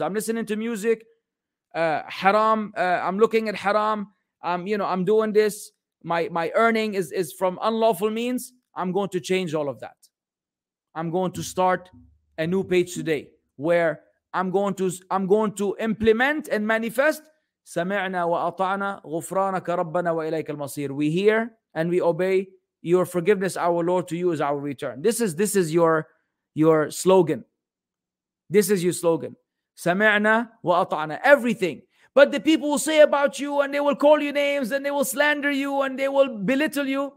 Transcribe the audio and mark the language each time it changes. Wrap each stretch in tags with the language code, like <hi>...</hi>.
<en>I'm listening to music, haram, I'm looking at haram, I'm doing this, my earning is from unlawful means. I'm going to change all of that. I'm going to start a new page today where I'm going to implement and manifest.</en> <ar>سمعنا وأطعنا غفرانك ربنا وإليك المصير.</ar> <en>We hear and we obey. Your forgiveness, our Lord, to you is our return. This is your slogan. This is your slogan.</en> <ar>سمعنا وأطعنا.</ar> <en>Everything. But the people will say about you and they will call you names and they will slander you and they will belittle you.</en>